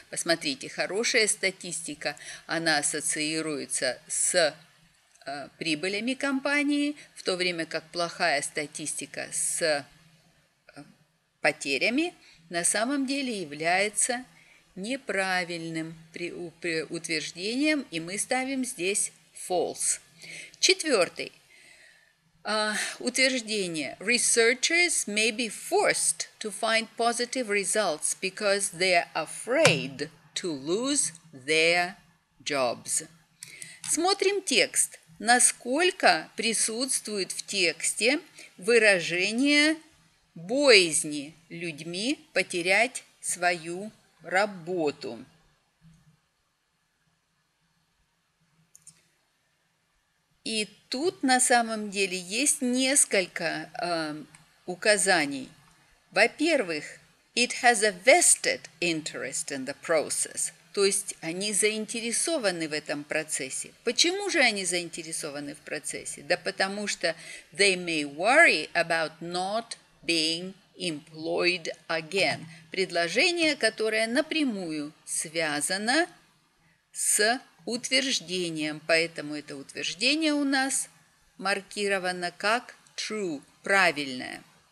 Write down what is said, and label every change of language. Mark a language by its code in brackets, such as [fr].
[ru] Посмотрите, хорошая статистика, она ассоциируется с прибылями компании, в то время как плохая статистика с потерями на самом деле является неправильным утверждением, и мы ставим здесь false. Четвертый. Утверждение. [en] Researchers may be forced to find positive results because they are afraid to lose their jobs. [ru] Смотрим текст. Насколько присутствует в тексте выражение боязни людьми потерять свою работу. И тут на самом деле есть несколько указаний. Во-первых, [en] it has a vested interest in the process. [ru] То есть они заинтересованы в этом процессе. Почему же они заинтересованы в процессе? Да потому что [en] they may worry about not being employed again. [ru] Предложение, которое напрямую связано с утверждением, поэтому это утверждение у нас маркировано как true, правильное.